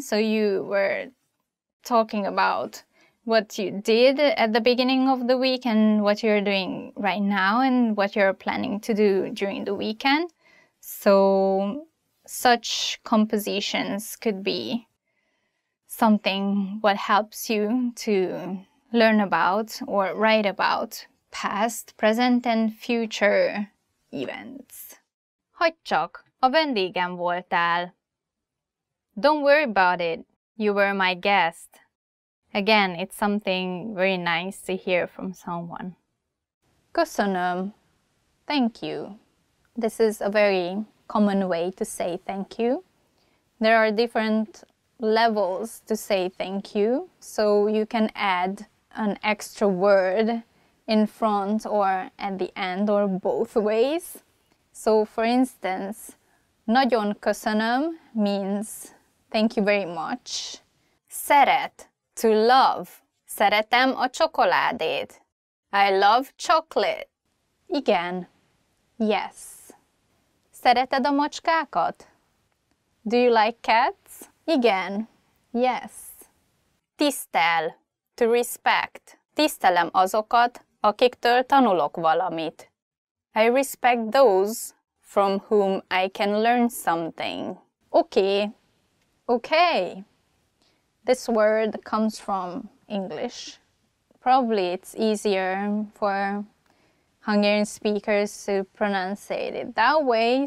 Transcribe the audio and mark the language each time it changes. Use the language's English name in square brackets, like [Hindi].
[English] So you were talking about what you did at the beginning of the week and what you're doing right now and what you're planning to do during the weekend. So such compositions could be something what helps you to learn about or write about past, present and future events. [Hungarian] Hogy csak, a vendégem voltál. [English] Don't worry about it, you were my guest. Again, it's something very nice to hear from someone. Köszönöm. Thank you. This is a very common way to say thank you. There are different levels to say thank you, so you can add an extra word in front or at the end or both ways. So for instance, nagyon köszönöm means thank you very much. [Hungarian] Szeret, [English] to love. [Hungarian] Szeretem a csokoládét. [English] I love chocolate. [Hungarian] Igen. [English] Yes. [Hungarian] Szereted a macskákat? [English] Do you like cats? Igen. Yes. Tisztel, to respect. [Hungarian] Tisztelem azokat, akiktől tanulok valamit. [English] I respect those from whom I can learn something. Okay. Okay. This word comes from English. Probably it's easier for Hungarian speakers to pronounce it that way.